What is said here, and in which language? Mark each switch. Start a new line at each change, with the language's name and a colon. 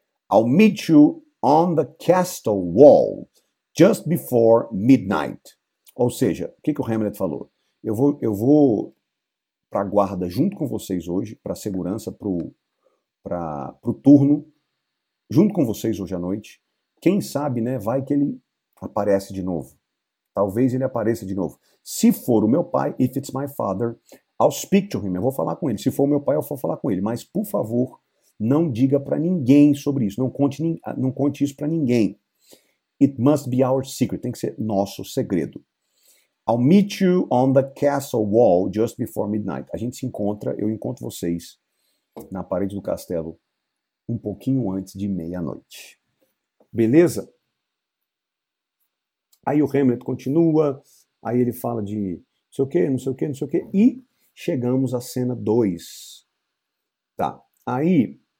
English: I'll meet you on the castle wall just before midnight.
Portuguese: Ou seja, o que que o Hamlet falou? Eu vou para a guarda junto com vocês hoje, para a segurança, para o turno, junto com vocês hoje à noite. Quem sabe, né, vai que ele aparece de novo. Talvez ele apareça de novo. Se for o meu pai,
English: if it's my father, I'll speak to him.
Portuguese: Eu vou falar com ele. Se for o meu pai, eu vou falar com ele. Mas, por favor, não diga para ninguém sobre isso. Não conte isso para ninguém.
English: It must be our secret.
Portuguese: Tem que ser nosso segredo.
English: I'll meet you on the castle wall just before midnight.
Portuguese: A gente se encontra, eu encontro vocês na parede do castelo um pouquinho antes de meia-noite. Beleza? Aí o Hamlet continua, aí ele fala de não sei o quê, não sei o quê, não sei o quê. E chegamos à cena 2. Tá. Aí.